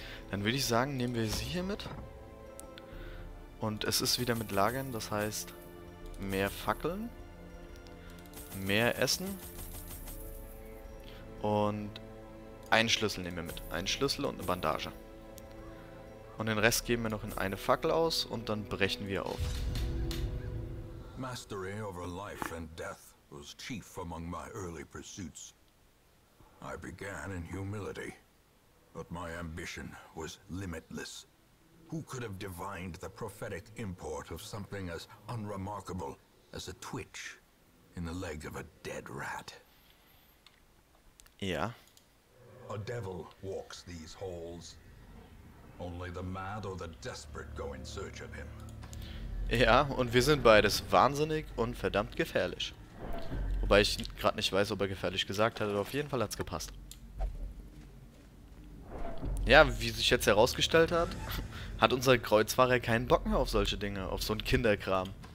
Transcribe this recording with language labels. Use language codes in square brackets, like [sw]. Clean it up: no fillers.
[de] Dann würde ich sagen, nehmen wir sie hier mit. Und es ist wieder mit Lagern, das heißt, mehr Fackeln, mehr Essen und einen Schlüssel nehmen wir mit. Einen Schlüssel und eine Bandage. Und den Rest geben wir noch in eine Fackel aus und dann brechen wir auf. [en] Mastery over life and death was chief among my early pursuits. I began in humility, but my ambition was limitless. Who could have divined the prophetic import of something as unremarkable as a twitch in the leg of a dead rat? Yeah. A devil walks these halls. Only the mad or the desperate go in search of him. [de] Ja, und wir sind beides wahnsinnig und verdammt gefährlich. Wobei ich gerade nicht weiß, ob er gefährlich gesagt hat, aber auf jeden Fall hat's gepasst. Ja, wie sich jetzt herausgestellt hat, hat unser Kreuzfahrer keinen Bock mehr auf solche Dinge, auf so ein Kinderkram.